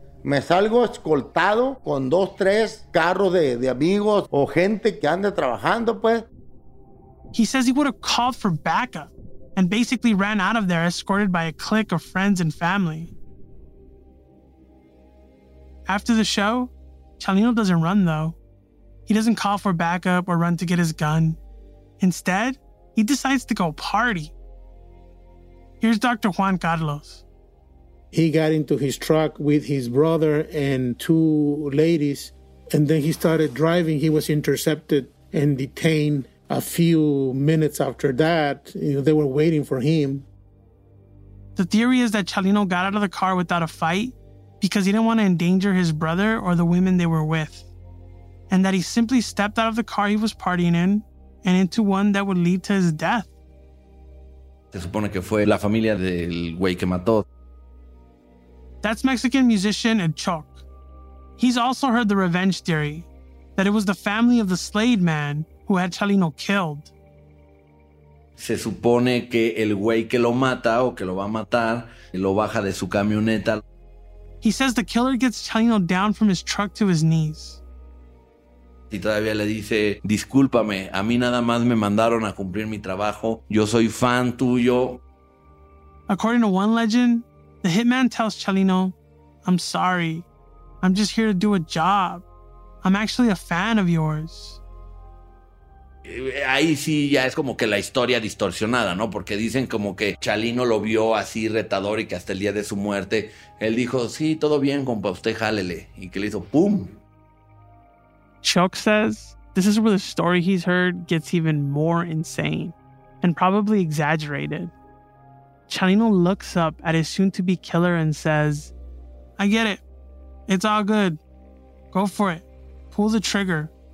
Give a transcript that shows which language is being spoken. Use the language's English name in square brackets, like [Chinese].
[Spanish] Me salgo escoltado con dos, tres carros de amigos o gente que ande trabajando, pues. [English] He says he would have called for backup and basically ran out of there escorted by a clique of friends and family. After the show, Chalino doesn't run, though. He doesn't call for backup or run to get his gun. Instead, he decides to go party. Here's Dr. Juan Carlos. He got into his truck with his brother and two ladies, and then he started driving. He was intercepted and detained a few minutes after that. You know, they were waiting for him. The theory is that Chalino got out of the car without a fight because he didn't want to endanger his brother or the women they were with, and that he simply stepped out of the car he was partying in and into one that would lead to his death. [Spanish] Se supone que fue la familia del güey que mató. [English] That's Mexican musician El Choc. He's also heard the revenge theory, that it was the family of the slayed man who had Chalino killed. [Spanish] Se supone que el güey que lo mata o que lo va a matar, lo baja de su camioneta. [English] He says the killer gets Chalino down from his truck to his knees. [Spanish] Y todavía le dice, discúlpame, a mí nada más me mandaron a cumplir mi trabajo. Yo soy fan tuyo. [English] According to one legend, the hitman tells Chalino, I'm sorry. I'm just here to do a job. I'm actually a fan of yours. [Spanish] Ahí sí ya es como que la historia distorsionada, ¿no? Porque dicen como que Chalino lo vio así retador y que hasta el día de su muerte, él dijo, sí, todo bien, compa, usted jálele. Y que le hizo, ¡pum! [English] Chuck says this is where the story he's heard gets even more insane and probably exaggerated. Chalino looks up at his soon-to-be killer and says, I get it. It's all good. Go for it. Pull the trigger.